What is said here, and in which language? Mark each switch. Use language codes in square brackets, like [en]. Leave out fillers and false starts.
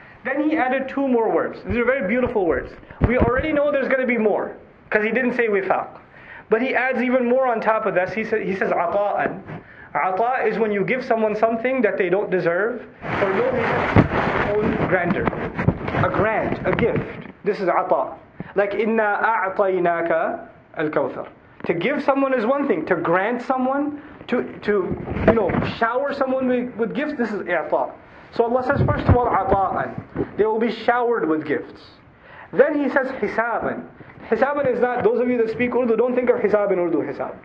[en] Then He added two more words. These are very beautiful words. We already know there's going to be more, because He didn't say wifaq. But He adds even more on top of this. He says عَطَاءً. عَطَاء is when you give someone something that they don't deserve, for no reason, own grandeur. A grant, a gift. This is عَطَاء. [ar] Like, إِنَّا أَعْطَيْنَاكَ الْكَوْثَرِ. [en] To give someone is one thing. To grant someone, to shower someone with gifts, this is i'ta. So Allah says, first of all, ata'an. They will be showered with gifts. Then He says, hisaban. Hisaban is not, those of you that speak Urdu, don't think of hisab in Urdu, hisab.